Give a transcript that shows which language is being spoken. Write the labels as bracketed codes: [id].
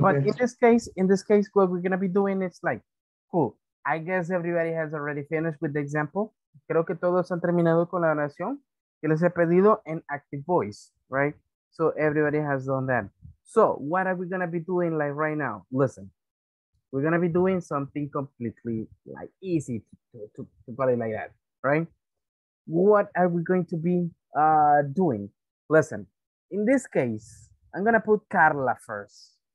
[en] But in this case, what we're going to be doing is like, cool. I guess everybody has already finished with the example. [es] Creo que todos han terminado con la oración que les he pedido en active voice, right? [en] So everybody has done that. So what are we going to be doing like right now? Listen, we're going to be doing something completely like easy to put it like that, right? What are we going to be doing? Listen, in this case, I'm going to put Carla first.